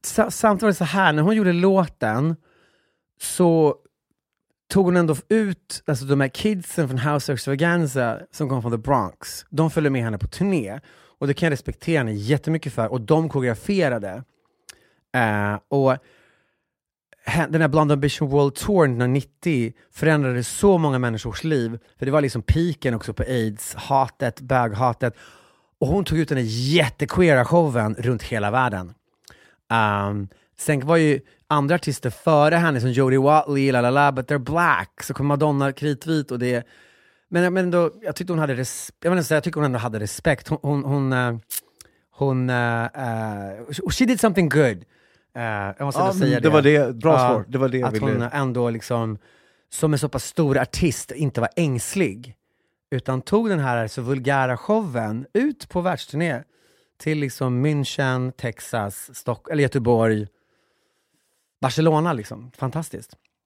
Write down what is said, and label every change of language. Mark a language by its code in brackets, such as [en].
[sv] Samtidigt så här, när hon gjorde låten så tog hon ändå ut, alltså de här kidsen från House of Extravaganza som kom från The Bronx, de följde med henne på turné, och det kan jag respektera henne jättemycket för, och de koreograferade och den här Blonde Ambition World Tour 1990 förändrade så många människors liv, för det var liksom piken också på AIDS, hatet, bög-hatet, och hon tog ut den här jättequeera showen runt hela världen. Sen var ju andra artister före henne, som Jody Watley, lalala, [en] but they're black. [sv] Så kom Madonna kritvit och det. Men då, jag tyckte hon hade jag tycker hon ändå hade respekt. Hon [en] she did something good. [sv] Jag måste säga det. Var det bra svar. Det var det att hon ändå liksom, som en så pass stor artist, inte var ängslig, utan tog den här så vulgära showen ut på världsturné till liksom München, Texas, Stockholm eller Göteborg. Barcelona liksom, fantastiskt.